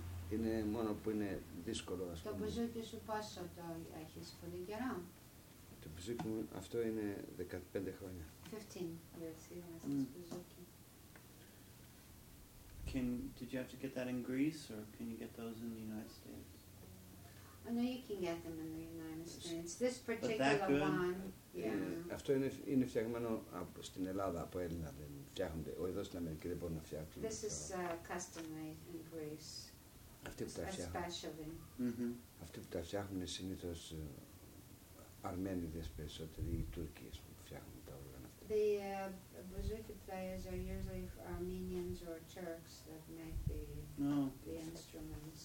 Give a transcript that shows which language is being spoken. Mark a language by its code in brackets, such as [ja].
[el] Είναι μόνο που είναι δύσκολο, ας πούμε. Το μπουζούκι σου πόσο το έχεις, πολύ καιρό? Το μπουζούκι μου, αυτό είναι 15 χρόνια. [en] 15 [el] years, είμαστε μπουζούκι. [en] Did you have to get that in Greece, or can you get those in the United States? Oh, no, you can get them in the United States. This particular one. [el] Αυτό είναι φτιαγμένο στην Ελλάδα από Έλληνα. Δεν φτιάχνονται. Όχι εδώ στην Αμερική δεν μπορούν να φτιάξουν. [en] This is custom made in Greece. [el] Αυτοί που τα φτιάχνουν. [en] Especially. [el] Αυτοί που τα φτιάχνουν συνήθως Αρμένιδες περισσότεροι ή Τούρκοι που φτιάχνουν τα όργανα αυτά. [en] The bouzouki players are usually Armenians or Turks that make the instruments.